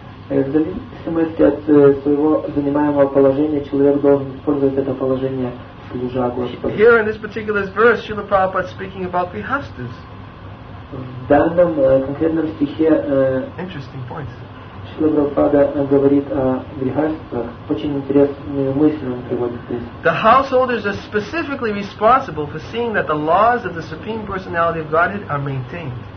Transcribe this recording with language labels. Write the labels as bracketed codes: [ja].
[ru] В зависимости от своего занимаемого положения, человек должен использовать это положение, служа Господу. [en] Here in this particular verse, Srila Prabhupada is speaking about grihasthas. [ru] В данном конкретном стихе [en] interesting point. [ru] Шрила Прабхупада говорит о грехастах. Очень интересную мысль он приводит здесь. [en] The householders are specifically responsible for seeing that the laws of the Supreme Personality of Godhead are maintained.